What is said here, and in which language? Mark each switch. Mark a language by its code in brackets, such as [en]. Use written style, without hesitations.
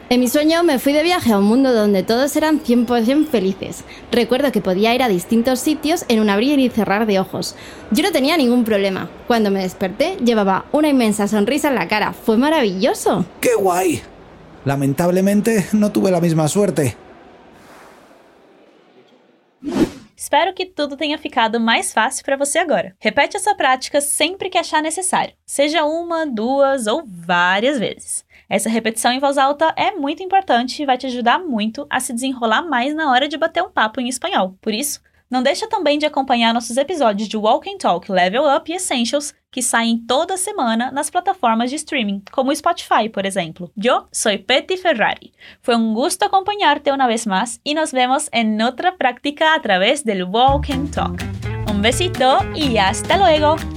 [es] En mi sueño me fui de viaje a un mundo donde todos eran 100% felices. Recuerdo que podía ir a distintos sitios en un abrir y cerrar de ojos. Yo no tenía ningún problema. Cuando me desperté, llevaba una inmensa sonrisa en la cara. ¡Fue maravilloso! ¡Qué guay! Lamentablemente, no tuve la misma suerte. [pt] Espero que tudo tenha ficado mais fácil para você agora. Repete essa prática sempre que achar necessário, seja uma, duas ou várias vezes. Essa repetição em voz alta é muito importante e vai te ajudar muito a se desenrolar mais na hora de bater um papo em espanhol. Por isso, não deixa também de acompanhar nossos episódios de Walk and Talk Level Up e Essentials, que saem toda semana nas plataformas de streaming, como o Spotify, por exemplo. [es] Yo soy Peti Ferrari. Fue un gusto acompañarte una vez más y nos vemos en otra práctica a través del Walk and Talk. Un besito y hasta luego!